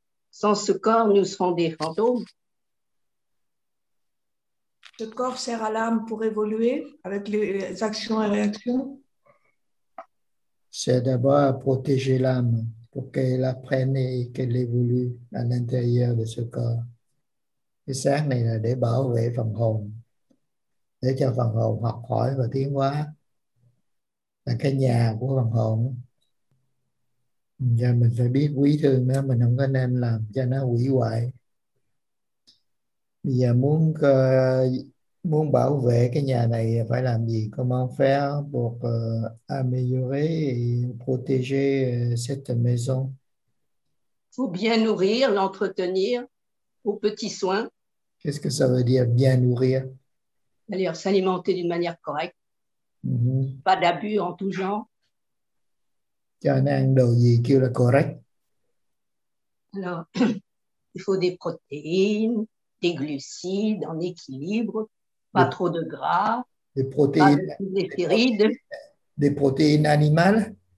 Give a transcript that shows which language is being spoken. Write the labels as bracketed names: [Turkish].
[French] Sans ce corps, nous serons des fantômes. Le corps sert à l'âme pour évoluer avec les actions et réactions. C'est d'abord protéger l'âme pour qu'elle apprenne et qu'elle évolue à l'intérieur de ce corps. [Vietnamese] Cái xác này là để bảo vệ phần hồn, để cho phần hồn học hỏi và tiến hóa, là cái nhà của phần hồn. Và mình phải biết quý thương nó, mình không có nên làm cho nó hủy hoại. Bây giờ muốn muốn bảo vệ cái nhà này phải làm gì? [French] Comment faire pour améliorer et protéger cette maison? Faut bien nourrir, l'entretenir aux petits soins. Qu'est-ce que ça veut dire bien nourrir? D'ailleurs, s'alimenter d'une manière correcte. Pas d'abus en tout genre. [Vietnamese] Cho nó ăn đồ gì kêu là correct? [French] Alors, il faut des protéines, des glucides en équilibre, pas trop de gras, des protéines, pas de glucides, des protéines animales?